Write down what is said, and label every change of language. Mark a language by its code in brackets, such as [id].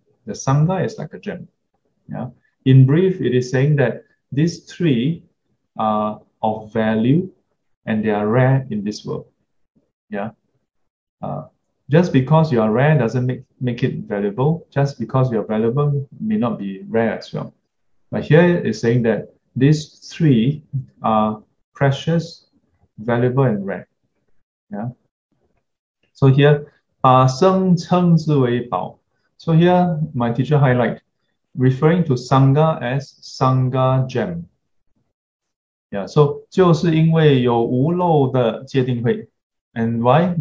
[en] The Sangha is like a gem. Yeah. In brief, it is saying that these three are of value and they are rare in this world. Yeah. Just because you are rare doesn't make it valuable. Just because you are valuable may not be rare as well. But here it's saying that these three are precious, valuable, and rare. Yeah. [zh] So here, 把僧称之为宝. [en] So here my teacher highlight referring to Sangha as Sangha gem. [zh] Yeah, so 就是因为有无漏的戒定慧, [en] and why?